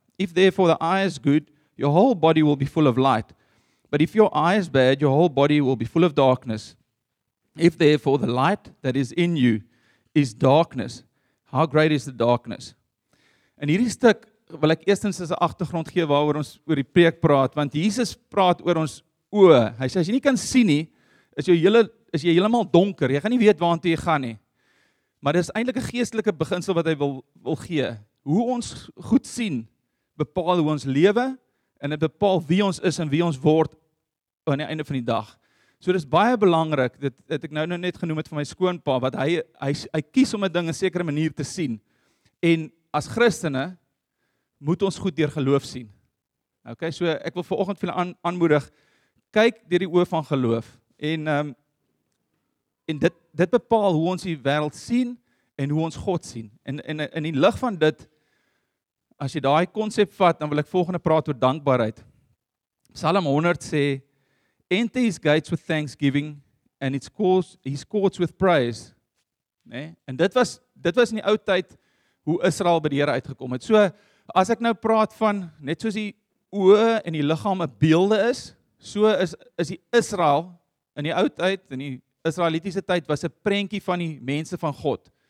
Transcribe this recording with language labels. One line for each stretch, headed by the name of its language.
English: If therefore the eye is good, your whole body will be full of light. But if your eye is bad, your whole body will be full of darkness. If therefore the light that is in you is darkness, how great is the darkness?
Afrikaans: En hierdie stuk wil ek eerstens as 'n agtergrond gee waaroor ons oor die preek praat, want Jesus praat oor ons oë. Hy sê, as jy nie kan sien nie, is jy heeltemal donker, jy gaan nie weet waarna jy gaan nie. Maar dis eintlik 'n geestelike beginsel wat hy wil gee. Hoe ons goed sien, bepaal hoe ons lewe, en dit bepaal wie ons is en wie ons word aan die einde van die dag. So dis baie belangrik, dit het ek nou net genoem het van my skoonpa, wat hy kies om 'n ding in 'n sekere manier te sien. En as Christene, moet ons goed deur geloof sien. Ok, so ek wil vanoggend vir julle aanmoedig, kyk deur die oë van geloof en dit bepaal hoe ons die wêreld sien en hoe ons God sien. En in die lig van dit, as jy daai konsep vat, dan wil ek volgende praat oor dankbaarheid. Psalm 100 sê,
English: enter his gates with thanksgiving and his courts with praise.
Afrikaans: Nee? En dit was in die ou tyd hoe Israel by die Here uitgekom het. So, as ek nou praat van, net soos die oë en die liggaam 'n beelde is, so is die Israel in die ou tyd, in die Israelitiese tyd, was 'n prentjie van die mense van God.